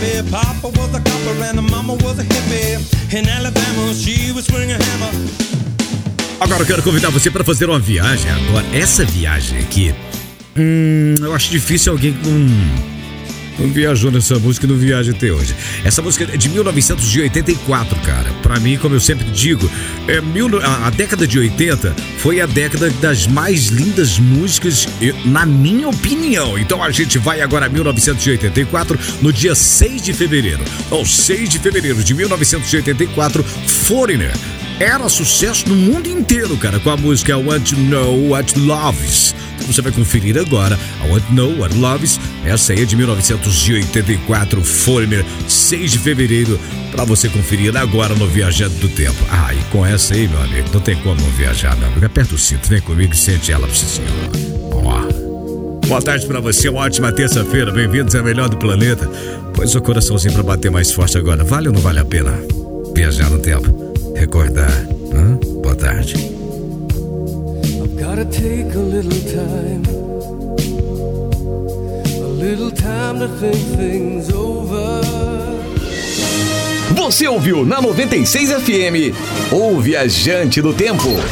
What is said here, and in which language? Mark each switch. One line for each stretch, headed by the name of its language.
English: Papa was a copper and a mama was a hippie. In Alabama, she was wearing a hammer.
Portuguese: Agora eu quero convidar você para fazer uma viagem. Agora, essa viagem aqui. Eu acho difícil alguém com. Não viajou nessa música e não viaja até hoje. Essa música é de 1984, cara. Pra mim, como eu sempre digo, a década de 80 foi a década das mais lindas músicas, na minha opinião. Então a gente vai agora a 1984, no dia 6 de fevereiro. Ou 6 de fevereiro de 1984, Foreigner. era sucesso no mundo inteiro, cara, com a música I Want to Know What Love Is. Você vai conferir agora I Want to Know What Love Is. Essa aí é de 1984, Foreigner, 6 de fevereiro, pra você conferir agora no Viajante do Tempo. Ah, e com essa aí, meu amigo, não tem como viajar, meu amigo. Aperta o cinto, vem comigo e sente ela pra você, senhor. Ó. Boa tarde pra você, uma ótima terça-feira. Bem-vindos ao Melhor do Planeta. Põe seu coraçãozinho pra bater mais forte agora. Vale ou não vale a pena viajar no tempo? Recordar, hã? Boa tarde.
English: I've gotta take a little time, a little time to think things over.
Portuguese: Você ouviu na 96 FM O Viajante do Tempo.